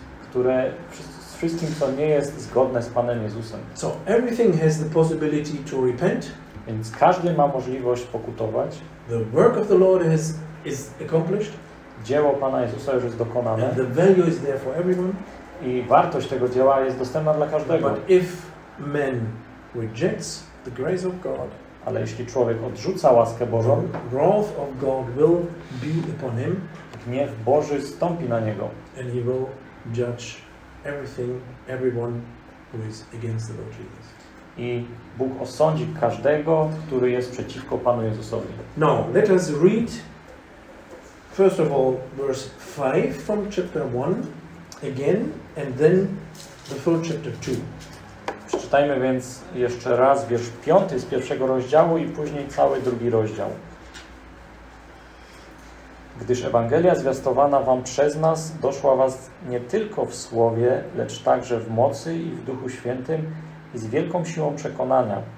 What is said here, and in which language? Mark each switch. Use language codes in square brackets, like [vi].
[pl] Które z wszystkim, co nie jest zgodne z Panem Jezusem. [en] So everything has the possibility to repent. [pl] Więc każdy ma możliwość pokutować. [en] The work of the Lord is accomplished. [pl] Dzieło Pana Jezusa już jest dokonane. [en] And the value is there for everyone. [pl] I wartość tego dzieła jest dostępna dla każdego. [en] But if man rejects the grace of God, [pl] ale jeśli człowiek odrzuca łaskę Bożą, [en] the wrath of God will be upon him. [pl] Gniew Boży stąpi na niego. [en] And he will judge everything, everyone who is against the Lord Jesus. [pl] I Bóg osądzi każdego, który jest przeciwko Panu Jezusowi. [en] Now, let us read first of all verse 5 from chapter 1 again and then the full chapter 2. [pl] Przeczytajmy więc jeszcze raz wiersz 5 z pierwszego rozdziału i później cały drugi rozdział. Gdyż Ewangelia zwiastowana wam przez nas doszła was nie tylko w słowie, lecz także w mocy i w Duchu Świętym, i z wielką siłą przekonania.